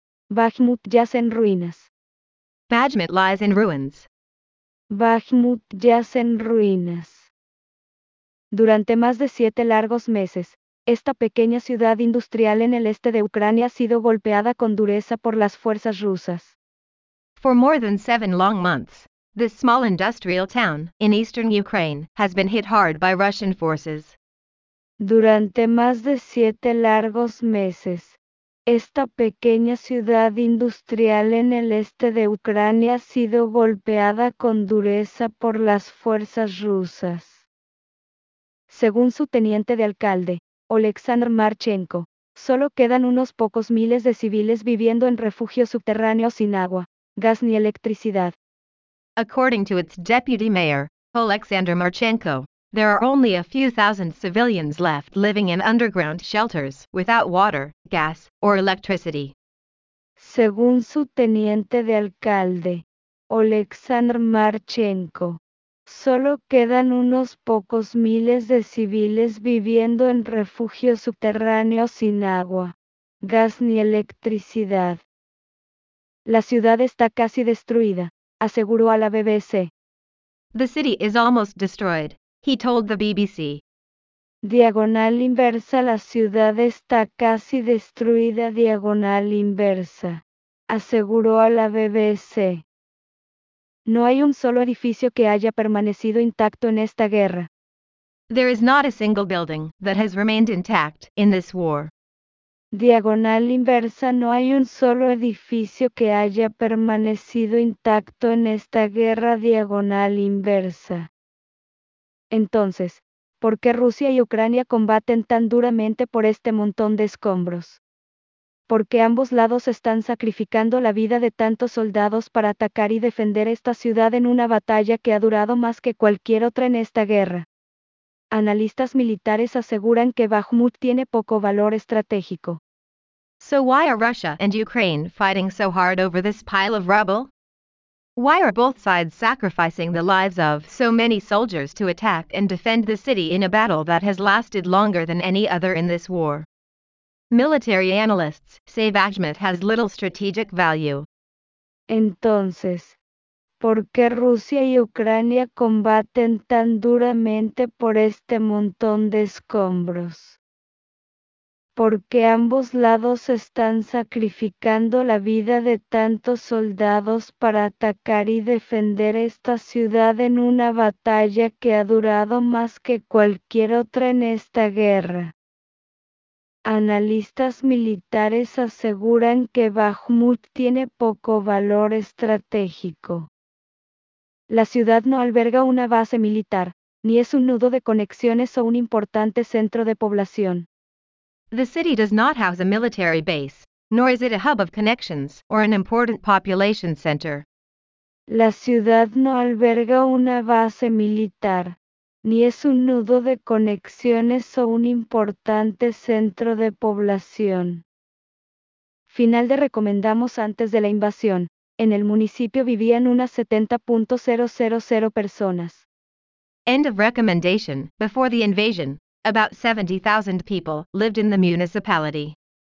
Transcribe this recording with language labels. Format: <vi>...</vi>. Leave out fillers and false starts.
<es>Bakhmut yace en ruinas.</es> <en>Bakhmut lies in ruins.</en> <es>Bakhmut yace en ruinas. Durante más de 7 largos meses, esta pequeña ciudad industrial en el este de Ucrania ha sido golpeada con dureza por las fuerzas rusas.</es> <en>For more than 7 long months, this small industrial town in eastern Ukraine has been hit hard by Russian forces.</en> <es>Durante más de 7 largos meses, esta pequeña ciudad industrial en el este de Ucrania ha sido golpeada con dureza por las fuerzas rusas. Según su teniente de alcalde, Oleksandr Marchenko, solo quedan unos pocos miles de civiles viviendo en refugios subterráneos sin agua, gas ni electricidad.</es> <en>According to its deputy mayor, Oleksandr Marchenko, there are only a few thousand civilians left living in underground shelters without water, gas, or electricity.</en> <es>Según su teniente de alcalde, Oleksandr Marchenko, solo quedan unos pocos miles de civiles viviendo en refugios subterráneos sin agua, gas ni electricidad. La ciudad está casi destruida, aseguró a la BBC.</es> <en>The city is almost destroyed, he told the BBC.</en> <es>Diagonal inversa, la ciudad está casi destruida, diagonal inversa, aseguró a la BBC. No hay un solo edificio que haya permanecido intacto en esta guerra.</es> <en>There is not a single building that has remained intact in this war.</en> <es>Diagonal inversa, no hay un solo edificio que haya permanecido intacto en esta guerra, diagonal inversa. Entonces, ¿por qué Rusia y Ucrania combaten tan duramente por este montón de escombros? Porque ambos lados están sacrificando la vida de tantos soldados para atacar y defender esta ciudad en una batalla que ha durado más que cualquier otra en esta guerra. Analistas militares aseguran que Bakhmut tiene poco valor estratégico.</es> <en>So why are Russia and Ukraine fighting so hard over this pile of rubble? Why are both sides sacrificing the lives of so many soldiers to attack and defend the city in a battle that has lasted longer than any other in this war? Military analysts say Bakhmut has little strategic value.</en> <es>Entonces, ¿por qué Rusia y Ucrania combaten tan duramente por este montón de escombros? ¿Por qué ambos lados están sacrificando la vida de tantos soldados para atacar y defender esta ciudad en una batalla que ha durado más que cualquier otra en esta guerra? Analistas militares aseguran que Bakhmut tiene poco valor estratégico. La ciudad no alberga una base militar, ni es un nudo de conexiones o un importante centro de población.</es> <en>The city does not house a military base, nor is it a hub of connections or an important population center.</en> <es>La ciudad no alberga una base militar, ni es un nudo de conexiones o un importante centro de población. Final de recomendamos antes de la invasión, en el municipio vivían unas 70.000 personas.</es> <en>End of recommendation, before the invasion, about 70,000 people lived in the municipality.</en>